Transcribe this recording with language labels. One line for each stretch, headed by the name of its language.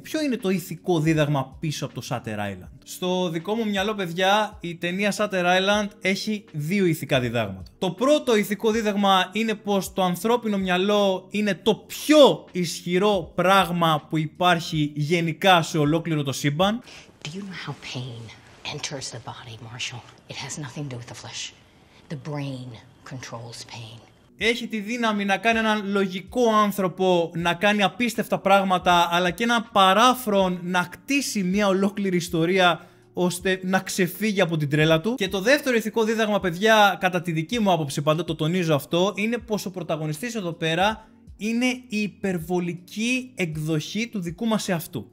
Greek: Ποιο είναι το ηθικό δίδαγμα πίσω από το Shutter Island? Στο δικό μου μυαλό, παιδιά, η ταινία Shutter Island έχει δύο ηθικά διδάγματα. Το πρώτο ηθικό δίδαγμα είναι πως το ανθρώπινο μυαλό είναι το πιο ισχυρό πράγμα που υπάρχει γενικά σε ολόκληρο το σύμπαν.
English: Do you know how pain enters the body, Marshall? It has nothing to do with the flesh. The brain controls pain.
Greek: Έχει τη δύναμη να κάνει έναν λογικό άνθρωπο να κάνει απίστευτα πράγματα, αλλά και έναν παράφρον να κτίσει μια ολόκληρη ιστορία ώστε να ξεφύγει από την τρέλα του. Και το δεύτερο ηθικό δίδαγμα, παιδιά, κατά τη δική μου άποψη πάντα, το τονίζω αυτό, είναι πως ο πρωταγωνιστής εδώ πέρα είναι η υπερβολική εκδοχή του δικού μας εαυτού.